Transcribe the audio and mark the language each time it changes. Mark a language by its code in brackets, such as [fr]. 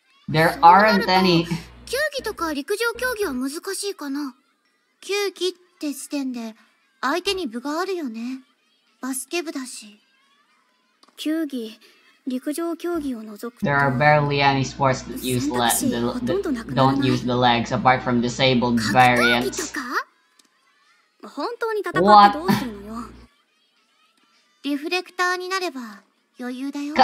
[en] There aren't any. [ja] 球技とか陸上競技は難しいかな。球技って時点で、相手に分があるよね。バスケ部だし。球技、陸上競技を除くと、 [en] There are barely any sports that use legs. Don't use the legs apart from disabled variants. [ja] 格闘技とか？本当に戦ってどうするのよ。リフレクターになれば余裕だよ。